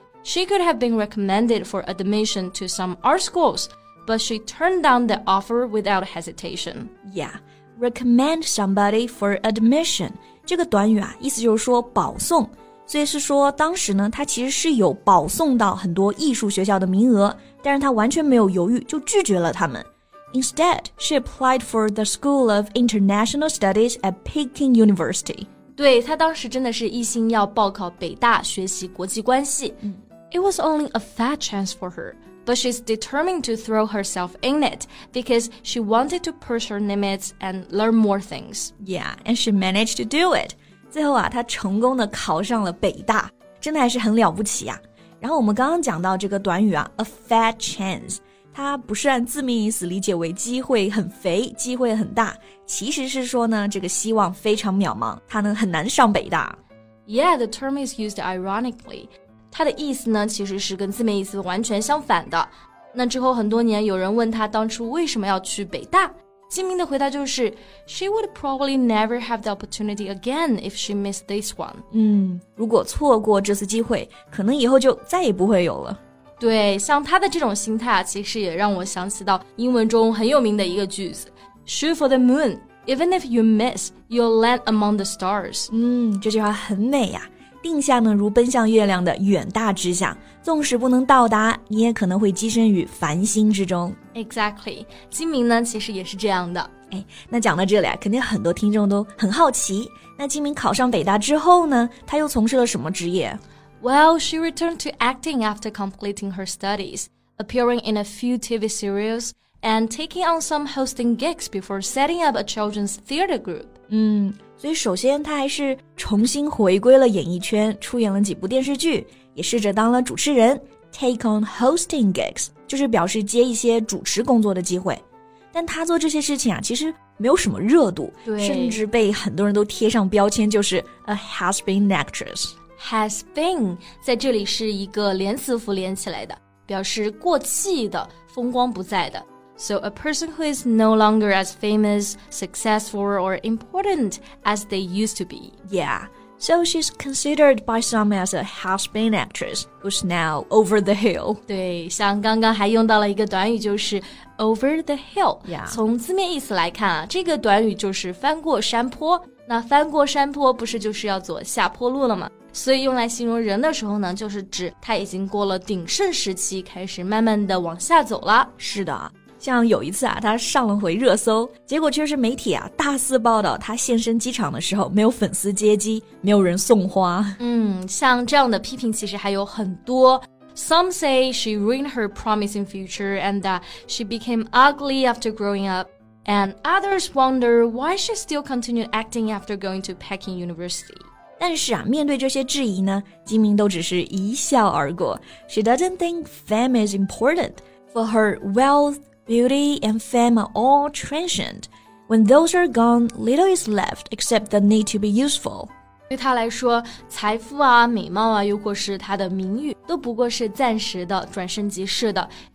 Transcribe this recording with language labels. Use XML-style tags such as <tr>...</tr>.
<en>She could have been recommended for admission to some art schools, but she turned down the offer without hesitation. Yeah, recommend somebody for admission.</en> <zh>这个短语啊，意思就是说保送。所以是说当时呢，她其实是有保送到很多艺术学校的名额，但是她完全没有犹豫，就拒绝了他们。</zh> <en>Instead, she applied for the School of International Studies at Peking University.</en> <zh>对，她当时真的是一心要报考北大学习国际关系。</zh> <en>It was only a fat chance for her, but she's determined to throw herself in it because she wanted to push her limits and learn more things. Yeah, and she managed to do it.</en> <zh>最后啊，她成功地考上了北大，真的还是很了不起啊。然后我们刚刚讲到这个短语啊 , a fat chance, 它不是按字面意思理解为机会很肥，机会很大，其实是说呢，这个希望非常渺茫，她呢很难上北大。</zh> <en>Yeah, the term is used ironically.</en> <zh>它的意思呢其实是跟字面意思完全相反的。那之后很多年有人问他当初为什么要去北大，金明的回答就是 She would probably never have the opportunity again if she missed this one. 嗯，如果错过这次机会，可能以后就再也不会有了。对，像他的这种心态啊，其实也让我想起到英文中很有名的一个句子 Shoot for the moon, even if you miss, you'll land among the stars. 嗯，这句话很美呀、啊。定向呢如奔向月亮的远大志向，纵使不能到达，你也可能会跻身于繁星之中。 Exactly， 金明呢其实也是这样的。哎，那讲到这里啊，肯定很多听众都很好奇，那金明考上北大之后呢，他又从事了什么职业？</zh> <en>Well, she returned to acting after completing her studies, appearing in a few TV seriesand taking on some hosting gigs before setting up a children's theater group.</en> <zh>嗯，所以首先他还是重新回归了演艺圈，出演了几部电视剧，也试着当了主持人， take on hosting gigs, 就是表示接一些主持工作的机会。但他做这些事情啊，其实没有什么热度，对，甚至被很多人都贴上标签，就是 a has-been actress. Has been 在这里是一个连词符连起来的，表示过气的，风光不再的。</zh> <en>So a person who is no longer as famous, successful, or important as they used to be. Yeah, so she's considered by some as a has-been actress who's now over the hill.</en> <zh>对，像刚刚还用到了一个短语就是 over the hill.</zh> <en>Yeah.</en> <zh>从字面意思来看啊，这个短语就是翻过山坡。那翻过山坡不是就是要走下坡路了吗？所以用来形容人的时候呢，就是指他已经过了鼎盛时期，开始慢慢的往下走了。是的。像有一次啊，他上了回热搜，结果却是媒体啊大肆报道他现身机场的时候没有粉丝接机，没有人送花。嗯，像这样的批评其实还有很多。</zh> <en>Some say she ruined her promising future and that she became ugly after growing up. And others wonder why she still continued acting after going to Peking University.</en> <zh>但是啊，面对这些质疑呢，金明都只是一笑而过。</zh> <en>She doesn't think fame is important. For her, wealth, beauty, and fame are all transient. When those are gone, little is left except the need to be useful.</en> <zh>对她来说，财富啊、美貌啊，又或是她的名誉，都不过是暂时的，转瞬即逝的。</zh>